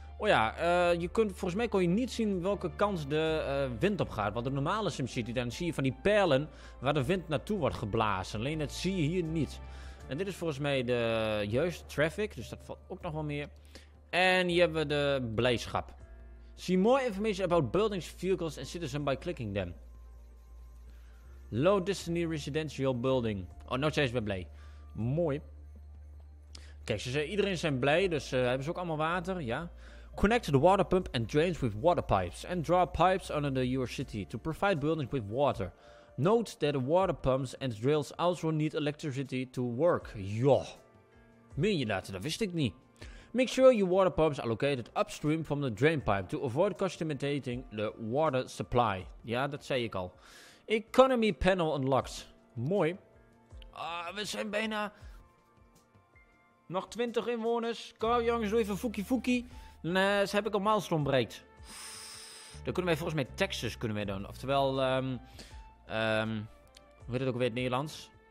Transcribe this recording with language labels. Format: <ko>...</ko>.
<nl>Oh ja, volgens mij kon je niet zien welke kant de wind op gaat. Want de normale SimCity, dan zie je van die pijlen waar de wind naartoe wordt geblazen. Alleen dat zie je hier niet. En dit is volgens mij de juiste traffic. Dus dat valt ook nog wel meer. En hier hebben we de blijdschap.</nl> <en>See more information about buildings, vehicles and citizens by clicking them. Low destiny residential building.</en> <nl>Oh, nou zijn ze weer blij. Mooi. Kijk, ze zeggen, iedereen zijn blij, dus hebben ze ook allemaal water, ja.</nl> <en>Connect the water pump and drains with water pipes. And draw pipes under your city to provide buildings with water. Note that the water pumps and drills also need electricity to work.</en> <nl>Joh. Meen je dat? Dat wist ik niet.</nl> <en>Make sure your water pumps are located upstream from the drain pipe to avoid contaminating the water supply.</en> <nl>Ja, dat zei ik al.</nl> <en>Economy panel unlocked.</en> <nl>Mooi. We zijn bijna nog 20 inwoners. Kom op, jongens, doe even foekie foekie. Ze heb ik een milestone bereikt. Dan kunnen wij volgens mij Texas kunnen wij doen. Oftewel, hoe heet het ook weer in het Nederlands?</nl>